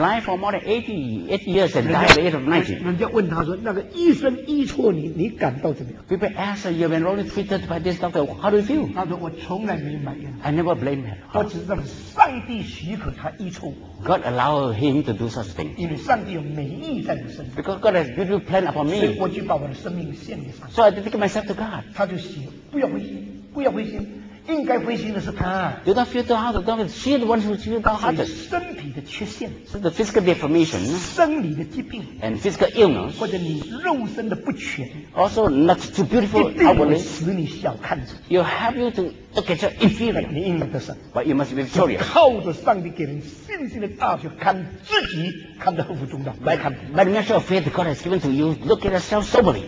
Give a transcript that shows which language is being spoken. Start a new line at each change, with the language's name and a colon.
English: Blind for more than 80 years and died at the age of 90.
Chinese: 人家问他说：“那个医生医错你，你感到怎么样？”
English: People ask her, "You've been wrongly treated by this doctor. How do you feel?"
Chinese: 他说：“我从来没埋怨。
English: ”I never blame her.
Chinese: 我只知道上帝许可他医错我。
English: God allowed him to do such things.
Chinese: 因为上帝有美意在你身上。
English: Because God has a beautiful plan upon me.
Chinese: 所以我就把我的生命献给上帝。
English: So I dedicate myself to God.
Chinese: 他就写：“不要灰心，不要灰心。” 应该灰心的是他。
English: Do not feel too hard. Don't see the ones who feel too hard.
Chinese: 身体的缺陷。
English: So the physical deformation.
Chinese: 生理的疾病。
English: And physical illness.
Chinese: 或者你肉身的不全。
English: Also not too beautiful.
Chinese: 一定会使你小看自己。
English: You have you to look at your inferior.
Chinese: 你应该得胜。
English: But you must be victorious.
Chinese: 靠着上帝给人信心的大学看自己看得很不重要。
English: By the measure of faith God has given to you, look at yourself soberly.